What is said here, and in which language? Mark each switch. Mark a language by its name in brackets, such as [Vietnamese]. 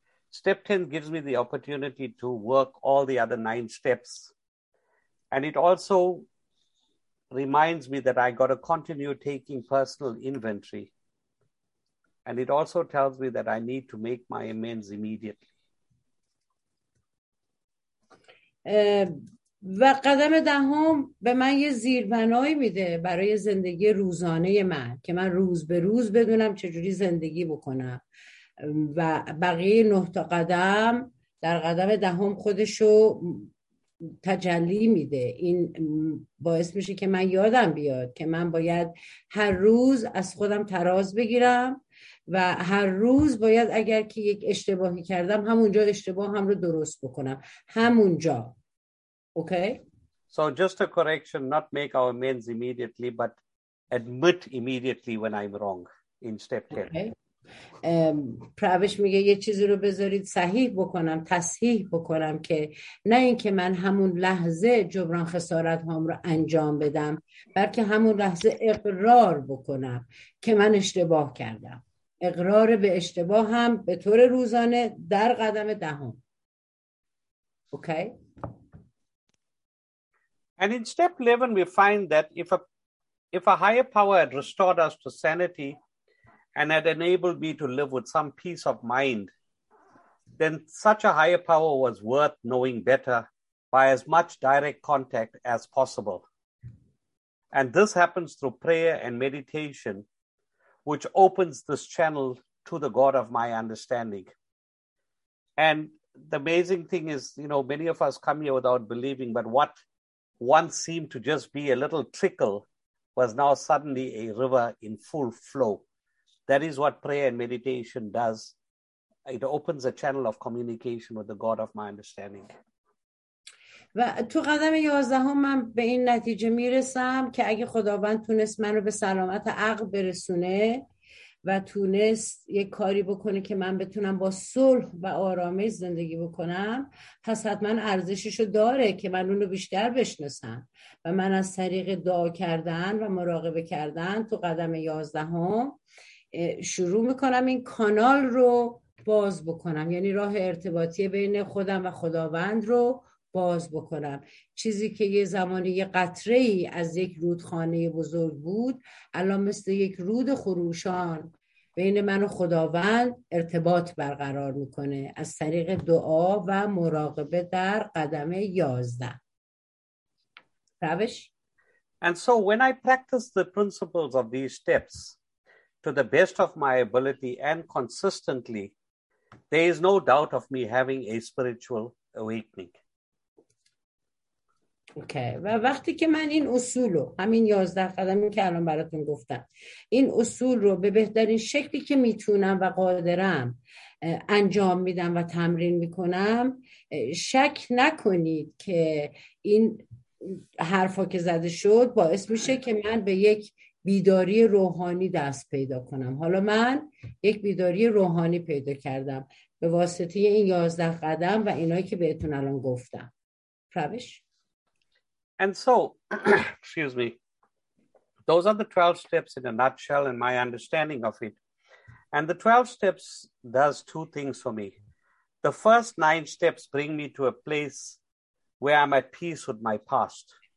[English] Step 10 gives me the opportunity to work all the other 9 steps and it also reminds me that I got to continue taking personal inventory. And it also tells me that I need to make my amends immediately. [Persian] و قدم دهم به من یه زیربنایی میده برای زندگی روزانه من که من روز به روز بدونم چجوری زندگی بکنم و بقیه نه تا قدم در قدم دهم خودشو تجلی میده. این باعث میشه که من یادم بیاد که من باید هر روز از خودم تراز بگیرم و هر روز باید اگر که یک اشتباهی کردم همونجا اشتباه هم رو درست بکنم همونجا. [English] Okay. So just a correction, not make our amends immediately, but admit immediately when I'm wrong in step 10. Okay. [Persian] پروش میگه یه چیزی رو بذارید صحیح بکنم، تصحیح بکنم که نه اینکه من همون لحظه جبران خسارت هام رو انجام بدم، بلکه همون لحظه اقرار بکنم که من اشتباه کردم. اقرار به اشتباه هم به طور روزانه در قدم دهم. [English] Okay. And in step 11, we find that if a higher power had restored us to sanity and had enabled me to live with some peace of mind, then such a higher power was worth knowing better by as much direct contact as possible. And this happens through prayer and meditation, which opens this channel to the God of my understanding. And the amazing thing is, you know, many of us come here without believing, but what once seemed to just be a little trickle was now suddenly a river in full flow. That is what prayer and meditation does. It opens a channel of communication with the God of my understanding. [Persian] و تو قدم 11 هم من به این نتیجه میرسم که اگه خداوند تونست من رو به سلامت عقل برسونه و تونست یک کاری بکنه که من بتونم با صلح و آرامش زندگی بکنم، پس حتما ارزششو داره که من اونو بیشتر بشناسم و من از طریق دعا کردن و مراقبه کردن تو قدم 11 هم شروع میکنم این کانال رو باز بکنم، یعنی راه ارتباطی بین خودم و خداوند رو باز بکنم. چیزی که یه زمانی یه قطره ای از یک رودخانه بزرگ بود الان مثل یک رود خروشان بین من و خداوند ارتباط برقرار میکنه از طریق دعا و مراقبه در قدم 11. روش. [English] And so when I practice the principles of these steps to the best of my ability and consistently, there is no doubt of me having a spiritual awakening. Okay. [Persian] و وقتی که من این اصول رو همین 11 قدمی که الان براتون گفتم این اصول رو به بهترین شکلی که میتونم و قادرم انجام میدم و تمرین میکنم، شک نکنید که این حرفا که زده شد باعث میشه که من به یک بیداری روحانی دست پیدا کنم. حالا من یک بیداری روحانی پیدا کردم به واسطه این 11 قدم و اینایی که بهتون الان گفتم. پروش. [English] And so, excuse me, those are the 12 steps in a nutshell in my understanding of it. And the 12 steps does two things for me. The first 9 steps bring me to a place where I'm at peace with my past.